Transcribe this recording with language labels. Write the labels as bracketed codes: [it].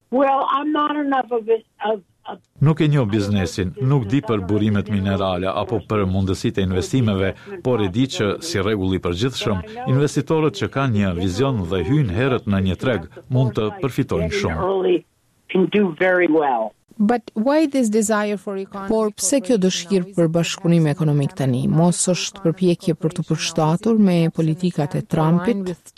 [en] Well, I'm not enough of it. [sq] Nuk e njoh biznesin, nuk di për burimet minerale apo për mundësitë e investimeve, por e di që si rregull i përgjithshëm, investitorët që kanë një vizion dhe hyjnë herët në një treg mund të përfitojnë shumë. [en] Can do very well. But why this desire for economic? [sq] Por pse kjo dëshirë për bashkëpunim ekonomik tani? Mos është përpjekje për të përshtatur me politikat e Trumpit?